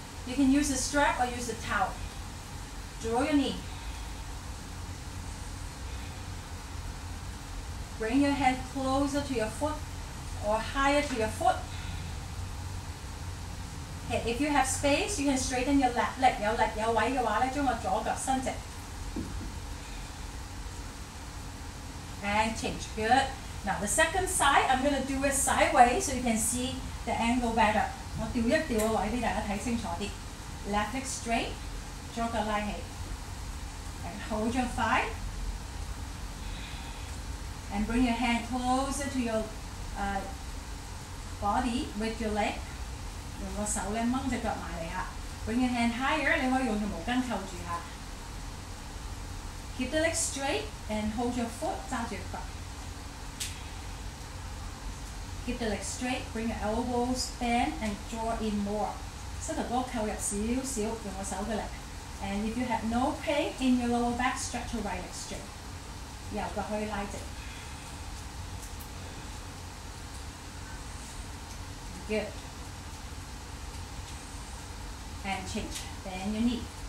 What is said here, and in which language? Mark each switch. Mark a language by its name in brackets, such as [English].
[English] You can use a strap or use a towel. Draw your knee. Bring your head closer to your foot or higher to your foot. Okay, if you have space, you can straighten your left leg. [Cantonese] 有力有位嘅話咧，將個左腳伸直。 [English] And change. Good. Now the second side, I'm going to do it sideways so you can see the angle better. [Cantonese] 我調一調個位俾大家睇清楚啲。 [English] Left leg straight, [Cantonese] 左腳拉起。 [English] And hold your thigh. And bring your hand closer to your body with your leg. [Cantonese] 用個手咧掹只腳埋嚟嚇。 [English] Bring your hand higher, [Cantonese] 你可以用條毛巾扣住嚇。 [English] Keep the leg straight and hold your foot, [Cantonese] 揸住腳。 [English] Keep the leg straight, bring your elbows bend and draw in more. [Cantonese] 膝头哥扣入少少，用我手嘅力。 [English] And if you have no pain in your lower back, stretch your right leg straight. [Cantonese] 右脚可以拉直。 [English] Good. And change. Bend your knee.